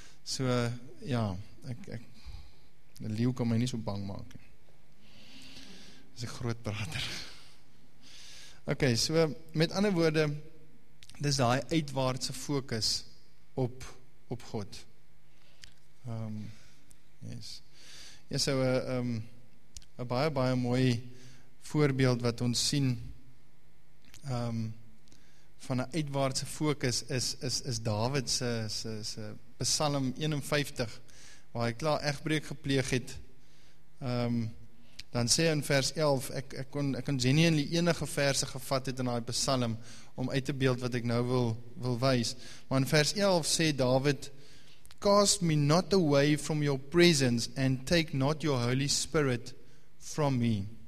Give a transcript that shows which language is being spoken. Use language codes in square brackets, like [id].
[af] So, ja, ek die leeuw kan my nie so bang maak. Dis een groot prater. Ok, so, met ander woorde, dis die uitwaartse focus op God. Een baie, baie mooi voorbeeld wat ons sien van een uitwaartse focus is David se Psalm 51, waar hy klaar egbreek gepleeg het. Dan sê in vers 11, ek kon genuinely enige verse gevat het in hy Psalm om uit te beeld wat ek nou wil wys. Maar in vers 11 sê David, [en] cast me not away from your presence and take not your Holy Spirit from me.